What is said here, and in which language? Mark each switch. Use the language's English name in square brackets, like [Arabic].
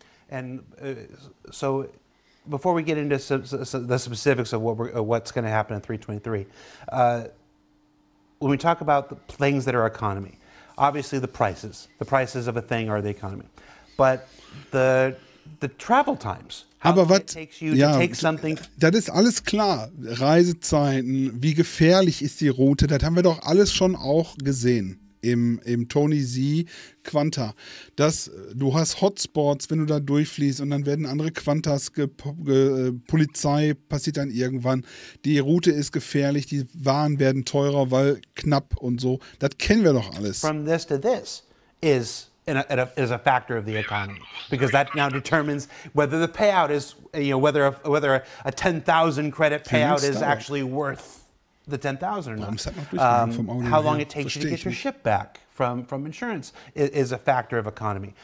[English] And so before we get into the specifics of what's going to happen in 3.23, when we talk about the things that are economy, obviously the prices of a thing are the economy, but the travel times, how long it takes you to take something. [German] Das ist alles klar. Reisezeiten, wie gefährlich ist die Route, das haben wir doch alles schon auch gesehen. Im Tony Z Quanta. Dass du hast Hotspots, wenn du da durchfließt, und dann werden andere Quantas Polizei passiert dann irgendwann. Die Route ist gefährlich, die Waren werden teurer, weil knapp und so. Das kennen wir doch alles. [English] From this to this is a factor of the economy, because that now determines whether the payout is, you know, whether a 10,000 credit payout is actually worth the 10,000 or not. How long it takes you to get your ship back from insurance is a factor of economy.